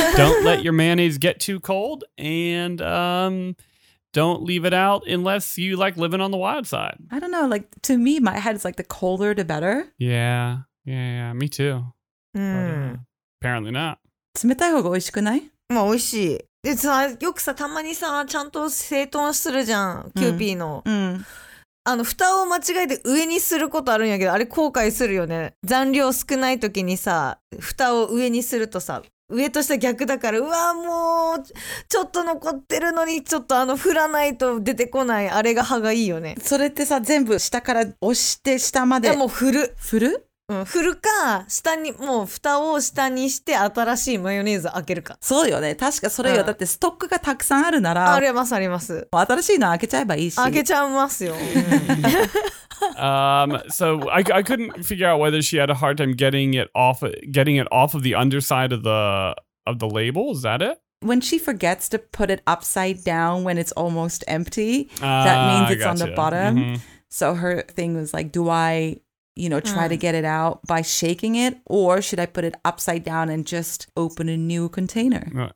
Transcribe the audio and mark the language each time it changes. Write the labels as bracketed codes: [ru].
[en] Don't let your mayonnaise get too cold, and don't leave it out unless you like living on the wild side. I don't know. Like to me, my head is like the colder the better. Yeah, yeah, yeah. Me too. Apparently not. [ja] 冷たい方が美味しくない？まあ美味しい。でさ、よくさ、たまにさ、ちゃんと整頓するじゃん、キューピーの。あの、蓋を間違えて上にすることあるんやけど、あれ後悔するよね。残量少ない時にさ、蓋を上にするとさ、上と下逆だから、うわーもう、ちょっと残ってるのに、ちょっとあの、振らないと出てこない、あれが歯がいいよね。それってさ、全部下から押して下まで。いや、もう振る。振る？うん、振るか、下に、もう蓋を下にして新しいマヨネーズ開けるか。そうよね。確かそれよ、うん。だってストックがたくさんあるなら。ありますあります。新しいの開けちゃえばいいし。開けちゃいますよ。うん [en] So I couldn't figure out whether she had a hard time getting it off of the underside of the label. Is that it? When she forgets to put it upside down when it's almost empty, that means it's on the bottom. Mm-hmm. So her thing was like, do I, you know, try to get it out by shaking it, or should I put it upside down and just open a new container?